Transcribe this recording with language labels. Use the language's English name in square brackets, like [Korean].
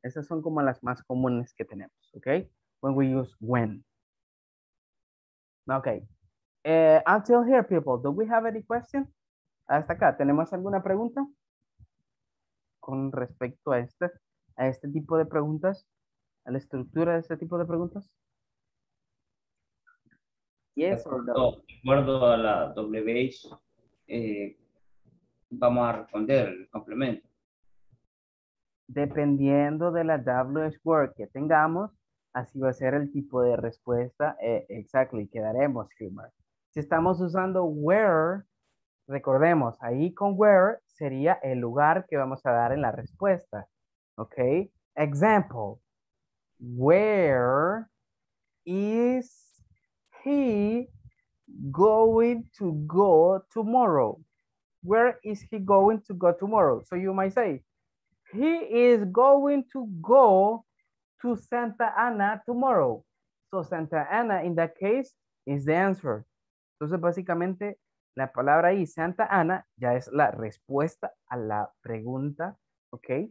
[Spanish] Esas son como las más comunes que tenemos, okay? [English] When we use when. Okay. Until here, people, do we have any question? [Spanish] Hasta acá, ¿tenemos alguna pregunta? Con respecto a este tipo de preguntas, a la estructura de este tipo de preguntas. [English] Yes or no? [Spanish] De acuerdo a la WH, vamos a responder el complemento. Dependiendo de la WH word que tengamos, así va a ser el tipo de respuesta. Exactly, quedaremos, Gilmar. Si estamos usando where, recordemos, ahí con where sería el lugar que vamos a dar en la respuesta. [English] Ok, example. Where is he going to go tomorrow? Where is he going to go tomorrow? So you might say, he is going to go to Santa Ana tomorrow. So Santa Ana, in that case, is the answer. [Spanish] Entonces, básicamente, la palabra ahí, Santa Ana, ya es la respuesta a la pregunta, ¿ok?